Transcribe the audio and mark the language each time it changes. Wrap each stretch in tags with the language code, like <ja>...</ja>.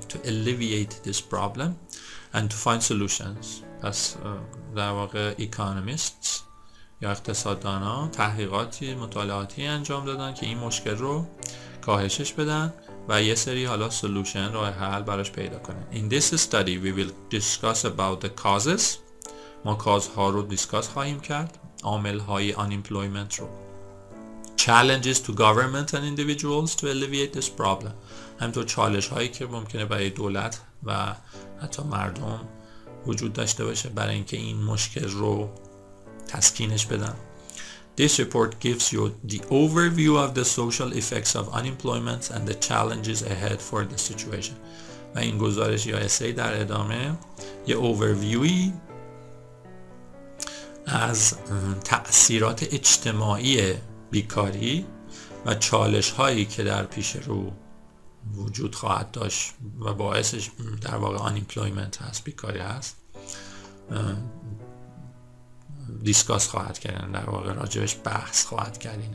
<en>to alleviate this problem and to find solutions،</en> <fa>پس در واقع economists یا اقتصاددان ها تحقیقاتی مطالعاتی انجام دادن که این مشکل رو کاهشش بدن و یه سری حالا solution رو حل براش پیدا کنن.</fa> <en>in this study we will discuss about the causes،</en> <fa>ما کازها رو دیسکاس خواهیم کرد، عامل های unemployment رو،</fa> <en>challenges to government and individuals to alleviate this problem.</en> <fa>همینطور چالش هایی که ممکنه برای دولت و حتی مردم وجود داشته باشه برای اینکه این مشکل رو تسکینش بدن.</fa> <en>This report gives you the overview of the social effects of unemployment and the challenges ahead for the situation.</en> <fa>و این گزارش یا اسی در ادامه یه overviewی از تأثیرات اجتماعی بیکاری و چالش هایی که در پیش رو وجود خواهد داشت و باعثش در واقع unemployment هست، بیکاری هست، دیسکاس خواهد کردن، در واقع راجبش بحث خواهد کردین.</fa>